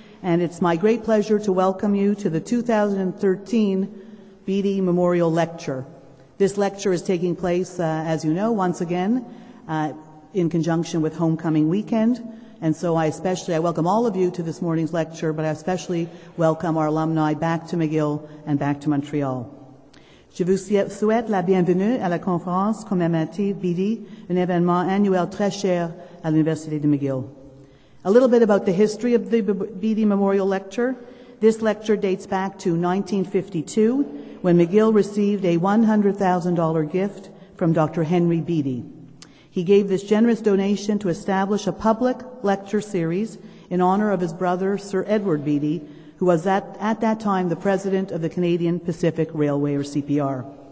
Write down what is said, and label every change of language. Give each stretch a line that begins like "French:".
English: And it's my great pleasure to welcome you to the 2013 Beattie Memorial Lecture. This lecture is taking place, as you know, once again, in conjunction with Homecoming Weekend. And so I welcome all of you to this morning's lecture, but I especially welcome our alumni back to McGill and back to Montreal.
French: Je vous souhaite la bienvenue à la conférence commémorative Beattie, un événement annuel très cher à l'Université de McGill.
English: A little bit about the history of the Beattie Memorial Lecture. This lecture dates back to 1952, when McGill received a $100,000 gift from Dr. Henry Beattie. He gave this generous donation to establish a public lecture series in honor of his brother, Sir Edward Beattie, who was at that time the president of the Canadian Pacific Railway, or CPR.